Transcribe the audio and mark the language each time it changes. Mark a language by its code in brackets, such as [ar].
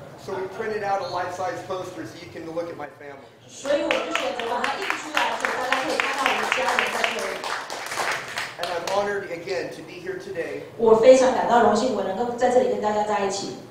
[en] So we printed out a life-size poster so you can look at my family. [zh] 所以我就选择把它印出来，所以大家可以看到我们家人在这里。 [en] And I'm honored again to be here today. [zh] 我非常感到荣幸，我能够在这里跟大家在一起。